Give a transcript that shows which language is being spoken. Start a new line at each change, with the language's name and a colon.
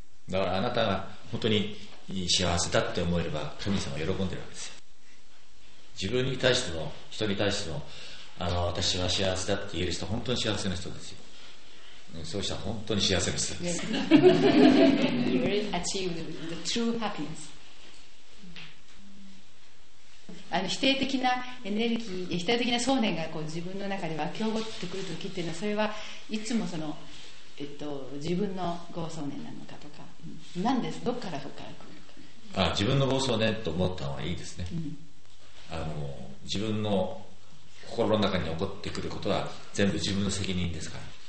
Japanese: だからあなたが本当に幸せだって思えれば神様は喜んでるわけですよ。自分に対しても人に対しても、私は幸せだって言える人本当に幸せな人ですよ。そうしたら本当に幸せな人です。
English: You will achieve the true happiness.
Japanese: 否定的なエネルギー、否定的な想念がこう自分の中で湧き起こってくるときっていうのは、それはいつもその、自分の業想念なのかとか、何です、どっからどっから来るのか。あ、自分の業想念と思った方がいいですね。うん、自分の心の中に起こってくることは全部自分の責任ですから。